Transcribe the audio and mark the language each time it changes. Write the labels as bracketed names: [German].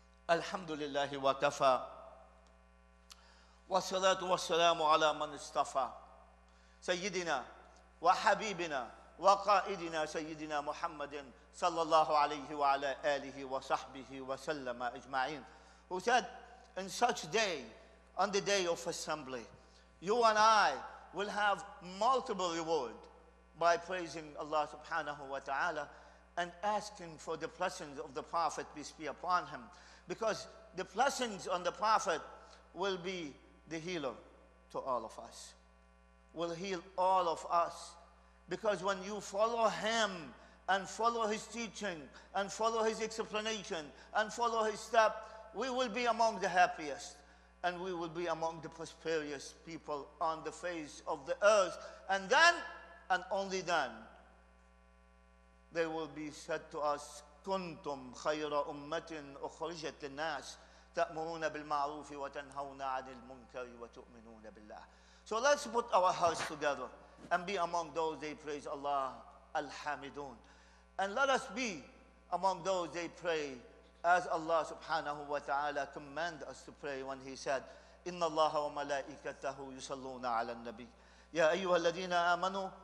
[Arabic] الحمد لله وكفى والصلاة والسلام على من اصطفى سيدنا وحبيبنا وقائدنا سيدنا محمد صلى الله عليه وعلى آله وصحبه وسلم أجمعين. [English] Who said, in such day, on the day of assembly, you and I will have multiple reward by praising Allah subhanahu wa ta'ala and asking for the blessings of the Prophet, peace be upon him. Because the blessings on the Prophet will be the healer to all of us, will heal all of us. Because when you follow him and follow his teaching and follow his explanation and follow his step, we will be among the happiest and we will be among the prosperous people on the face of the earth. And then, and only then, they will be said to us, [Arabic] كنتم خير أمة أخرجت للناس تأمرون بالمعروف وتنهون عن المنكر وتؤمنون بالله. [English] So let's put our hearts together and be among those they praise Allah Alhamidun. And let us be among those they pray as Allah subhanahu wa ta'ala command us to pray when he said, [Arabic] إن الله وملائكته يصلون على النبي. يا أيها الذين آمنوا